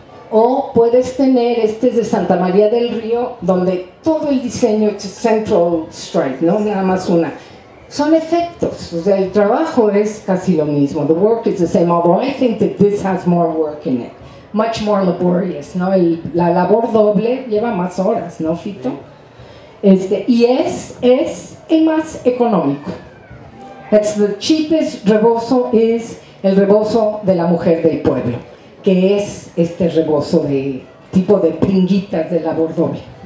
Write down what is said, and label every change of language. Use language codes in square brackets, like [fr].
[es] O puedes tener, este es de Santa María del Río, donde todo el diseño es central stripe, ¿no? Nada más una. Son efectos, o sea, el trabajo es casi lo mismo. [en] The work is the same, although I think that this has more work in it. Much more laborious, ¿no? [es] La labor doble lleva más horas, ¿no, Fito? Y es el más económico. [en] That's the cheapest rebozo, [es] es el rebozo de la mujer del pueblo, que es este rebozo de tipo de pringuitas de labor doble.